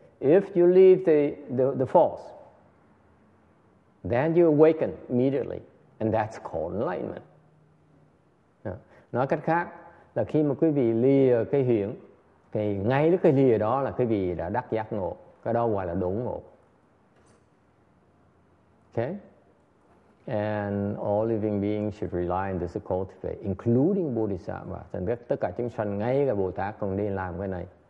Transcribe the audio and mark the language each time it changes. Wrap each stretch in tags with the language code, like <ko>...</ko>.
<en>If you leave the false, then you awaken immediately, and that's called enlightenment.</en> <vi>Nói cách khác là khi mà quý vị lìa cái huyễn, thì ngay lúc cái lìa đó là quý vị đã đắc giác ngộ, cái đó gọi là đủ ngộ.</vi> <en>Okay? And all living beings should rely on this to cultivate, including bodhisattvas.</en> <vi>And tất cả chúng sanh, ngay cả Bồ Tát cũng nên làm cái này.</vi>